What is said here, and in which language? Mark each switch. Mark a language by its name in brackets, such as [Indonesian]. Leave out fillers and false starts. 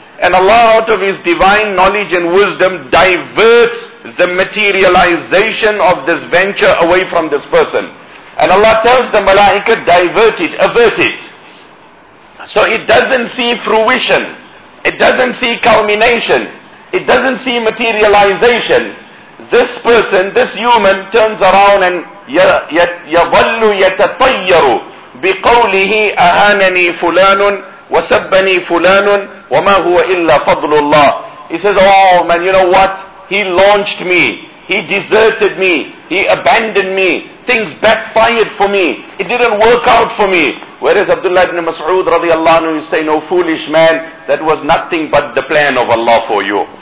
[English] And Allah, out of His divine knowledge and wisdom, diverts the materialization of this venture away from this person. And Allah tells the malaika, divert it, avert it. So it doesn't see fruition, it doesn't see culmination, it doesn't see materialization. This person, this human, turns around and [Arabic] يَظَلُّ يَتَطَيَّرُ بِقَوْلِهِ أَهَانَنِي فُلَانٌ وَسَبَّنِي فُلَانٌ وَمَا هُوَ إِلَّا فَضْلُ اللَّهِ. [English] He says, oh man, you know what? He launched me, he deserted me, he abandoned me, things backfired for me, it didn't work out for me. Whereas Abdullah ibn Mas'ud radiallahu anhu is saying, oh foolish man, that was nothing but the plan of Allah for you.